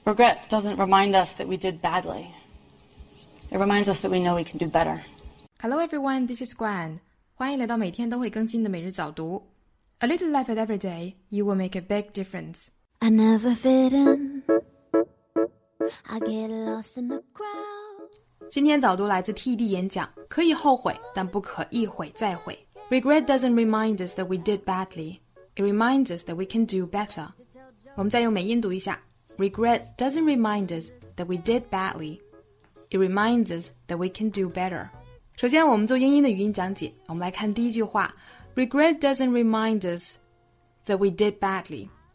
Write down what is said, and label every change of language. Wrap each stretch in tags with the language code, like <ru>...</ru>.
<en>Regret doesn't remind us that we did badly. It reminds us that we know we can do better. Hello everyone, this is Gwen.</en> <zh>欢迎来到每天都会更新的每日早读。</zh> <en>A little effort every day, you will make a big difference. I never fit in. I get lost in the crowd.</en> <zh>今天早读来自 TED 演讲，可以后悔，但不可一悔再悔。</zh> <en>Regret doesn't remind us that we did badly. It reminds us that we can do better.</en> <zh>我们再用美音读一下。</zh> <en>Regret doesn't remind us that we did badly. It reminds us that we can do better.</en> <zh>首先我们做英音的语音讲解，我们来看第一句话。</zh> <en>Regret doesn't remind us that we did badly.</en>